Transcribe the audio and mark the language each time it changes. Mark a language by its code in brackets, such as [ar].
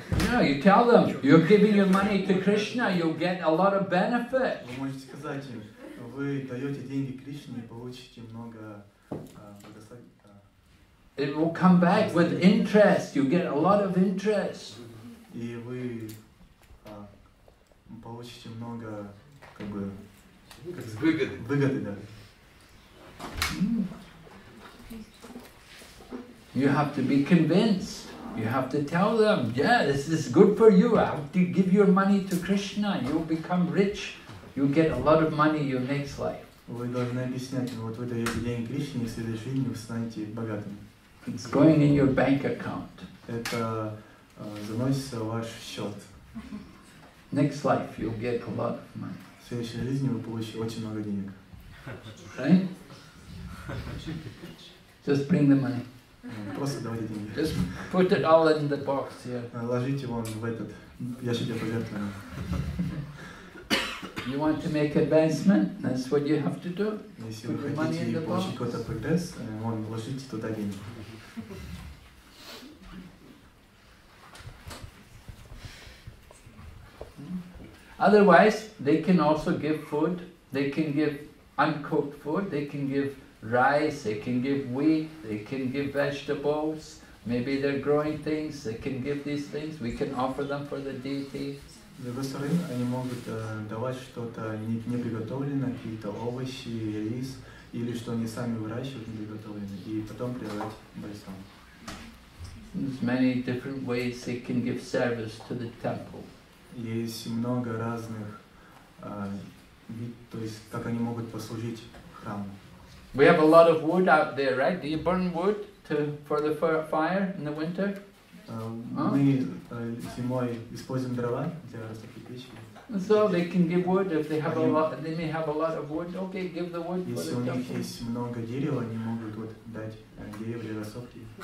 [en] No, you tell them, you're giving your money to Krishna, you'll get a lot of benefit. [ru] Вы можете сказать им, вы даете деньги Кришне, получите много благословений. [en] It will come back with interest. You get a lot of interest. [ru] И вы получите много, как бы, выгоды, да. [en] You have to be convinced. You have to tell them, yeah, this is good for you. I have to give your money to Krishna. You'll become rich. You'll get a lot of money in your next life. [ru] Вы должны объяснять, вот вы даете деньги Кришне, в следующей жизни вы станете богатым. [en] It's going in your bank account. [ru] Это заносится в ваш счет. [en] Next life, you'll get a lot of money. [ru] В следующей жизни вы получите очень много денег. [en] Right? Just bring the money. [ru] Просто давайте деньги. [en] Just put it all in the box here. [ru] Ложите вон в этот ящик пожертвований. [en] You want to make advancement? That's what you have to do. [ru] Если вы хотите получить какой-то прогресс, вон, ложите туда деньги. [en] Otherwise, they can also give food, they can give uncooked food, they can give rice, they can give wheat, they can give vegetables, maybe they're growing things, they can give these things, we can offer them for the deity. [ru] С другой стороны, они могут давать что-то неприготовленное, какие-то овощи, рис, или что они сами выращивают неприготовленное, и потом предлагать бойцам. [en] There's many different ways they can give service to the temple. [ru] Есть много разных, то есть как они могут послужить храму. [en] We have a lot of wood out there, right? Do you burn wood for the fire in the winter? [ru] Мы зимой используем дрова для растопки печи. [en] So they can give wood if they have they may have a lot of wood. Okay, give the wood. [ru] Если у них есть много дерева, они могут вот дать дерево для растопки.